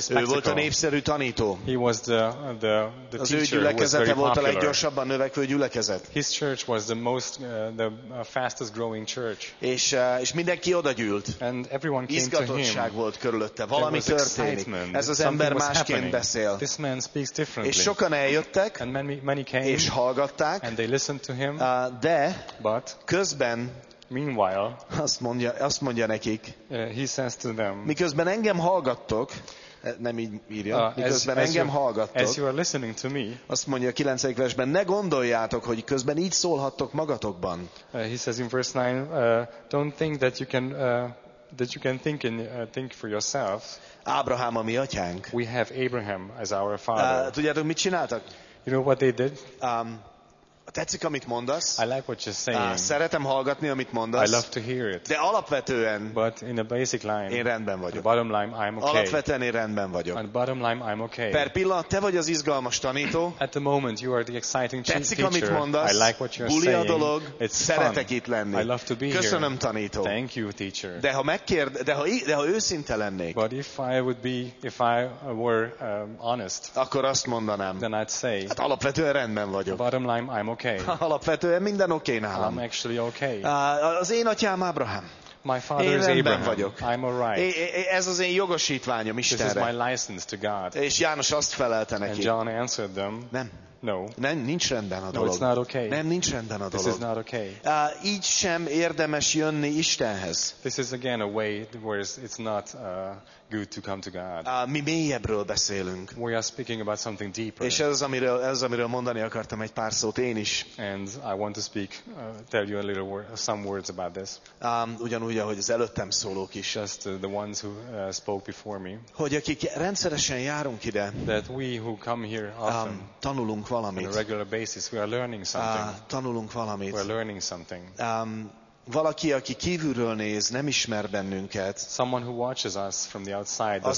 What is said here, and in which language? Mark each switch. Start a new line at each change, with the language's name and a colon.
English: spectacle.
Hungarian: Ő volt a népszerű tanító.
English: He was the teacher.
Hungarian: Az ő gyülekezete volt a leggyorsabban növekvő gyülekezet.
English: His church was the most the fastest growing church.
Hungarian: És mindenki oda gyűlt.
English: And everyone came to him.
Hungarian: Izgatottság volt körülötte. Valami történik. Ez az ember másként beszél.
English: This man speaks differently.
Hungarian: És sokan eljöttek.
English: And many came.
Hungarian: És hallgatták.
English: And they listened to him.
Hungarian: De
English: but
Hungarian: közben
English: meanwhile,
Hungarian: azt mondja nekik,
English: he says to them,
Hungarian: miközben engem hallgattok, nem így írja, miközben engem hallgattok,
English: as you are listening to me,
Hungarian: azt mondja a 9. versben, ne gondoljátok, hogy közben így szólhattok magatokban.
English: He says in verse 9, don't think that you can think for yourself.
Hungarian: Ábrahám a mi atyánk.
English: We have Abraham as our father.
Hungarian: Tudjátok, mit csináltak?
English: You know what they did?
Hungarian: Tetszik, amit mondasz.
English: I like what you're saying.
Hungarian: Szeretem hallgatni, amit mondasz.
English: I love to hear it.
Hungarian: De alapvetően,
English: but in a basic line,
Hungarian: én rendben vagyok.
English: Bottom line, I'm okay.
Hungarian: Alapvetően én rendben vagyok.
English: And bottom line, I'm okay.
Hungarian: Per pillanat, te vagy az izgalmas tanító.
English: At the moment, you are the exciting teacher.
Hungarian: Tetszik, amit mondasz.
English: I like what you're
Hungarian: buli
English: saying.
Hungarian: A dolog.
English: It's
Hungarian: szeretek
English: fun.
Hungarian: Itt lenni.
English: I love to be
Hungarian: Köszönöm,
English: here.
Hungarian: Köszönöm, tanító.
English: Thank you, teacher.
Hungarian: De ha megkérd, de ha őszinte lennék,
English: but if I were honest,
Hungarian: akkor azt mondanám.
English: Then I'd say,
Hungarian: hát alapvetően rendben vagyok.
English: Bottom line, I'm okay.
Hungarian: Alapvetően minden oké nálam.
English: I'm actually okay.
Hungarian: Az én atyám Ábrahám.
English: My father is Abraham.
Hungarian: Vagyok.
English: I'm all right.
Hungarian: Ez az én jogosítványom Istenre.
English: This is my license to God.
Hungarian: És János azt felelte neki.
English: And John answered them.
Hungarian: Nem.
English: No.
Hungarian: Nem, nincs rendben a
English: no,
Hungarian: dolog.
English: It's not okay.
Hungarian: Nem, nincs rendben a
English: this
Hungarian: dolog.
English: This is not okay.
Hungarian: Így sem érdemes jönni Istenhez.
English: This is again a way where it's not good to come to God.
Hungarian: Mi mélyebbről beszélünk.
English: We are speaking about something deeper.
Hungarian: És ez az, amiről mondani akartam egy pár szót én is.
English: And I want to speak, tell you a little some words about this.
Hungarian: Ugyanúgy, ahogy az előttem szólók is.
English: Just the ones who spoke before me.
Hungarian: Hogy akik rendszeresen járunk ide.
English: That we who come here often.
Hungarian: Tanulunk valamit.
English: On a regular basis, we are learning something.
Hungarian: Tanulunk valamit.
English: We are learning something.
Hungarian: Valaki, aki kívülről néz, nem ismer bennünket.
English: Someone who watches us from the outside doesn't know us.